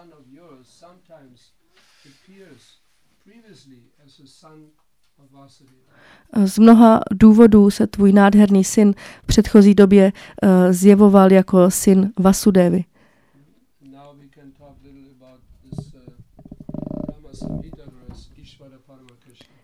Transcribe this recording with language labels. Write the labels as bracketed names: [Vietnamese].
[English] yours sometimes appears previously as a son of Vasudeva. [Czech] Z mnoha důvodů se tvůj nádherný syn v předchozí době zjevoval jako syn Vasudevy. [English] Now we can talk a little about this Brahma-samhita verse, Ishvara Paramakrishna.